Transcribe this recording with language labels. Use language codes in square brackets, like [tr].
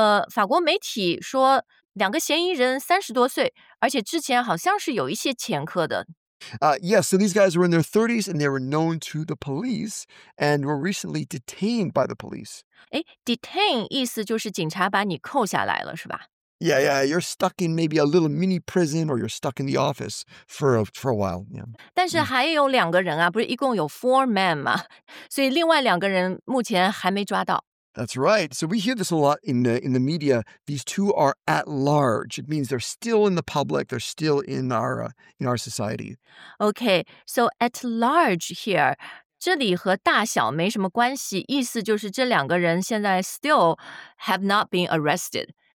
[zh] 法国媒体说两个嫌疑人30多岁，而且之前好像是有一些前科的。 [en] Yes, so these guys were in their 30s and they were known to the police and were recently detained by the police. [zh] Detain 意思就是警察把你扣下来了，是吧？ [en] Yeah, yeah. You're stuck in maybe a little mini prison or you're stuck in the office for a while. Yeah. [zh] 但是还有两个人啊，不是一共有 [en] four men [zh] 吗？所以另外两个人目前还没抓到。 [en] That's right. So we hear this a lot in the media. These two are at large. It means they're still in the public. They're still in our society. Okay. So at large here, [zh] 这里和大小没什么关系。意思就是这两个人现在 [en] still have not been arrested.